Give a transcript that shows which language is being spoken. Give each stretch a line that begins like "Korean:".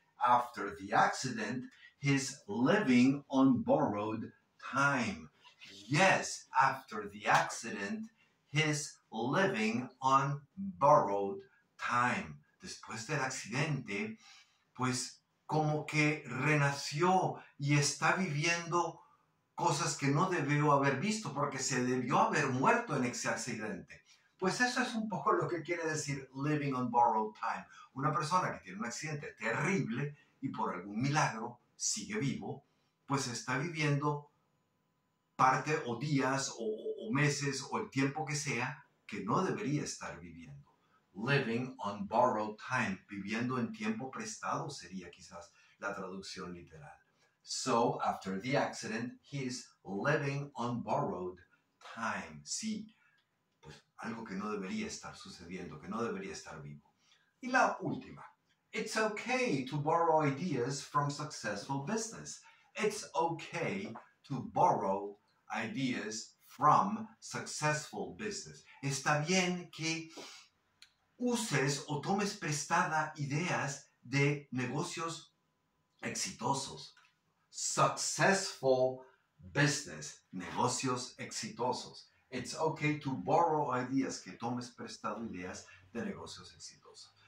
English: After the accident, he's living on borrowed time. Yes, after the accident, he's living on borrowed time.
Spanish: Después del accidente, pues como que renació y está viviendo cosas que no debió haber visto porque se debió haber muerto en ese accidente. Pues eso es un poco lo que quiere decir
English: living on borrowed time.
Spanish: Una persona que tiene un accidente terrible y por algún milagro sigue vivo, pues está viviendo parte o días o meses o el tiempo que sea que no debería estar viviendo.
English: Living on borrowed time,
Spanish: viviendo en tiempo prestado sería quizás la traducción literal.
English: So, after the accident, he's living on borrowed time.
Spanish: Sí. Pues algo que no debería estar sucediendo, que no debería estar vivo. Y la última.
English: It's okay to borrow ideas from successful business. It's okay to borrow ideas from successful business.
Spanish: Está bien que uses o tomes prestada ideas de negocios exitosos.
English: Successful business.
Spanish: Negocios exitosos.
English: It's okay to borrow ideas,
Spanish: que tomes prestado ideas de negocios exitosos.